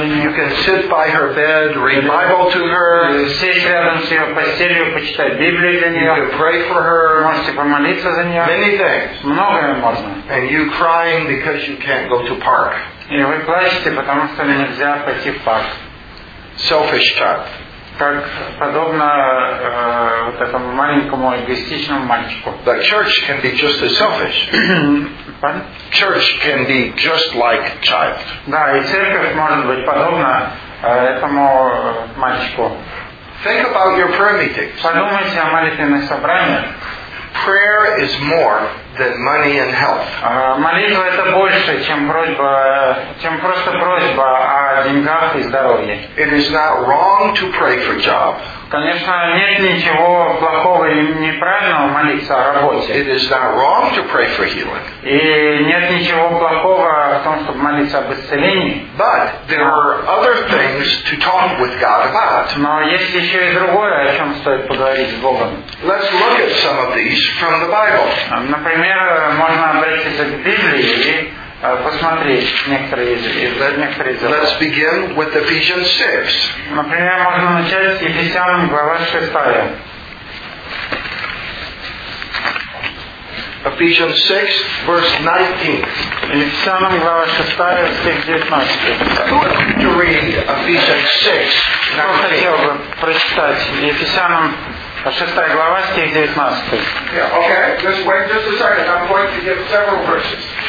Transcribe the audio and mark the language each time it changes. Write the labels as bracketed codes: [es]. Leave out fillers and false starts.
[en] you can sit by her bed, read the Bible to her. [ru] Сесть рядом с ее постелью, почитать Библию для нее. [en] You can pray for her. [ru] Можете помолиться за нее. [en] Many things. [ru] Многое можно. [en] And you crying because you can't go to park. [ru] И вы плачете, потому что нельзя пойти в парк. [en] Selfish child. [ru] Как подобно вот этому маленькому эгоистичному мальчику. [en] The church can be just as selfish. Church can be just like child. [ru] Да, и церковь может быть подобна этому мальчику. [en] Think about your prayer meetings. [ru] Подумайте о молитвенных собраниях. [en] Prayer is more than money and health. [ru] Молитва это больше, чем просьба, чем просто просьба о деньгах и здоровье. [en] It is not wrong to pray for job. [ru] Конечно, нет ничего плохого и неправильного молиться о работе. [en] It is not wrong to pray for healing. [ru] И нет ничего плохого в том, чтобы молиться об исцелении. [en] But there are other things to talk with God about. [ru] Но есть еще и другое, о чем стоит поговорить с Богом. [en] Let's look at some of these from the Bible. [ru] Например, можно обратиться к Библии и посмотреть некоторые из этого. [en] Let's begin with Ephesians 6. [ru] Например, можно начать с Ефесянам, глава 6. [en] Ephesians 6, verse 19. [ru] Ефесянам, глава 6, стих 19. [en] To read Ephesians 6, 19. [ru] Кто хотел бы прочитать Ефесянам, 6 глава, стих 19. [en] Yeah, okay, just wait just a second. I'm going to give several verses.